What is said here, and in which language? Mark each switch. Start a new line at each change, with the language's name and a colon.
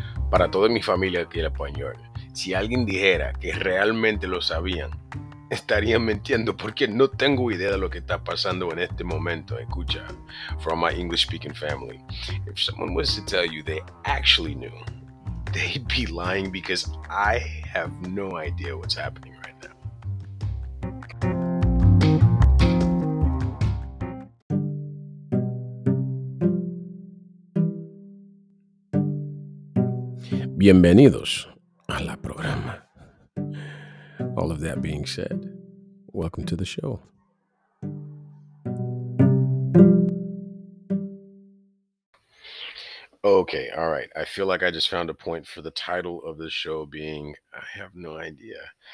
Spanish: para toda mi familia aquí en español. Si alguien dijera que realmente lo sabían, estarían mintiendo porque no tengo idea de lo que está pasando en este momento.
English: Escucha, from my English-speaking family, if someone was to tell you they actually knew, they'd be lying because I have no idea what's happening.
Spanish: Bienvenidos a la programa.
English: All of that being said, welcome to the show. Okay, all right. I feel like I just found a point for the title of the show being, I have no idea.